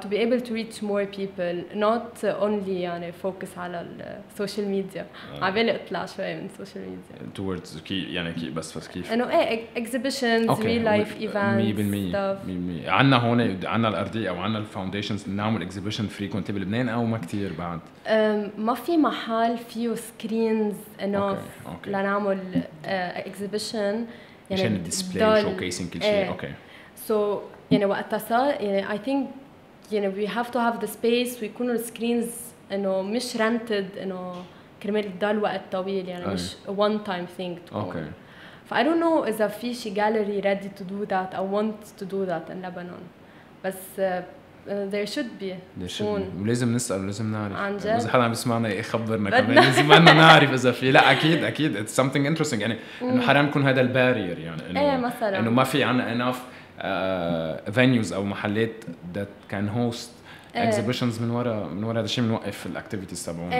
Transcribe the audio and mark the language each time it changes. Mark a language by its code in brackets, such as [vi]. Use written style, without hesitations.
[en] To be able to reach more people, not only [ar] يعني [en] focus [ar] على [en] social media. [ar] عبالي اطلع شوية من social media. Towards كي يعني كي بس كيف؟ إنه إيه [en] exhibitions, okay. real life events, 100% stuff. [ar] 100% عنا هون عنا الأرضية أو عنا foundations نعمل exhibition frequently بلبنان أو ما كتير بعد. ما في محل فيه screens enough لنعمل exhibition. عشان display showcasing كل شيء. Okay. So يعني وقت صار يعني [en] I think [ar] يعني [en] we have to have the space [ar] ويكونوا screens إنه مش rented إنه كرمال دال وقت طويل يعني مش [en] a one time thing to okay. go. فI don't know [ar] إذا في شي [en] gallery ready to do that or want to do that in Lebanon. [ar] بس [en] there should be. There should be. [ar] ولازم نسأل ولازم نعرف. عن جد. إذا حدا عم يسمعنا يخبرنا كمان لازم أنا نعرف إذا في لا أكيد [en] it's something interesting [ar] يعني إنه حرام يكون هذا البارير يعني إنه إيه إنه ما في عنا enough venues أو محلات [en] that can host exhibitions [ar] من ورا هذا الشيء منوقف الactivities تبعونا.